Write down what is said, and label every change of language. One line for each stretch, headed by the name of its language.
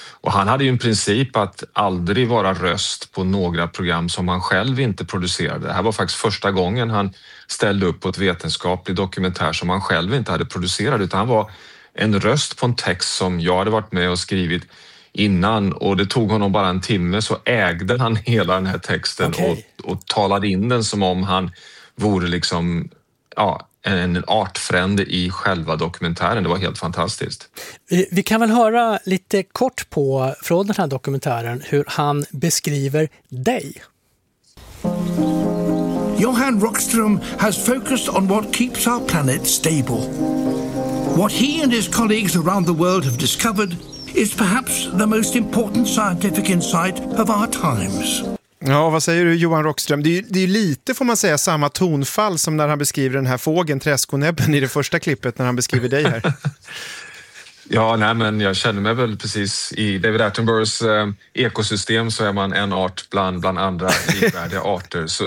Swedish: Och han hade ju en princip att aldrig vara röst på några program som han själv inte producerade. Det här var faktiskt första gången han ställde upp på ett vetenskapligt dokumentär som han själv inte hade producerat, utan han var en röst på en text som jag hade varit med och skrivit innan, och det tog honom bara en timme så ägde han hela den här texten. Okay. och talade in den som om han vore liksom, ja, en artfrände i själva dokumentären. Det var helt fantastiskt. Vi kan väl höra lite kort på från den här dokumentären hur han beskriver dig.
English: Johan Rockström has focused on what keeps our planet stable. What he and his colleagues around the world have discovered is perhaps the most important scientific insight of our times.
Swedish: Ja, vad säger du, Johan Rockström? Det är lite, får man säga, samma tonfall som när han beskriver den här fågeln, träskonäbben, i det första klippet när han beskriver dig här. Ja, nej, men jag känner mig väl precis i David Attenboroughs ekosystem, så är man en art bland andra likvärdiga arter.